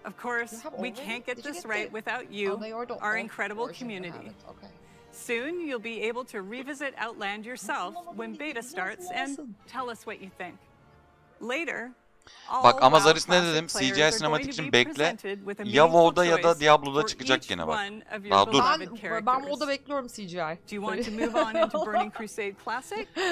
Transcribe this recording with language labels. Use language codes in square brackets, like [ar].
[en] Of course, we can't get this right without you, our incredible community. Soon you'll be able to revisit Outland yourself when beta starts and tell us what you think. Later. [tr] Bak ama Zaris ne dedim? CGI sinematik için bekle. Ya WoW'da ya da Diablo'da çıkacak gene bak. Daha dur. Ben WoW'da bekliyorum CGI. [en] Do you want to move on into Burning Crusade Classic?